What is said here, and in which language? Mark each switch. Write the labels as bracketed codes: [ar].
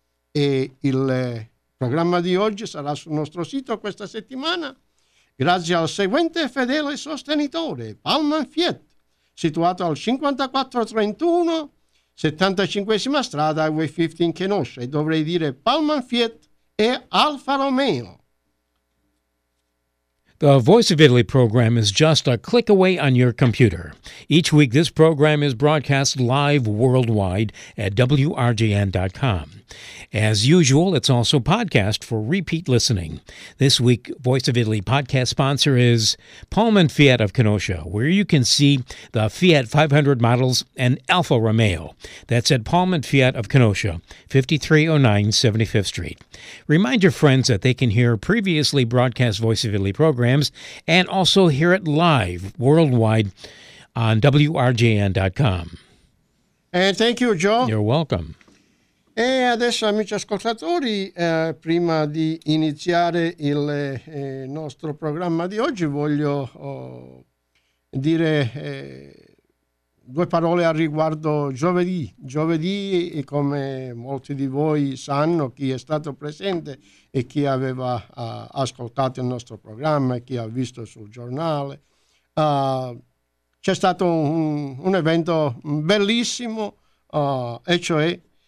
[it] E il programma di oggi sarà sul nostro sito questa settimana grazie al seguente fedele sostenitore: Palman Fiat, situato al 5431 75esima strada Highway 15 in Kenosha. E dovrei dire Palman Fiat e Alfa Romeo. [en] The Voice of Italy program is just a click away on your computer. Each week, this program is broadcast live worldwide at WRGN.com. As usual, it's also podcast for repeat listening. This week, Voice of Italy podcast sponsor is Palman Fiat of Kenosha, where you can see the Fiat 500 models and Alfa Romeo. That's at Palman Fiat of Kenosha, 5309 75th Street. Remind your friends that they can hear previously broadcast Voice of Italy programs and also hear it live worldwide on WRJN.com. And thank you, Joe. You're welcome. [it] E adesso, amici ascoltatori, prima di iniziare il nostro programma di oggi, voglio dire due parole a riguardo giovedì. Giovedì, come molti di voi sanno, chi è stato presente e chi aveva ascoltato il nostro programma e chi ha visto sul giornale, c'è stato un evento bellissimo, e cioè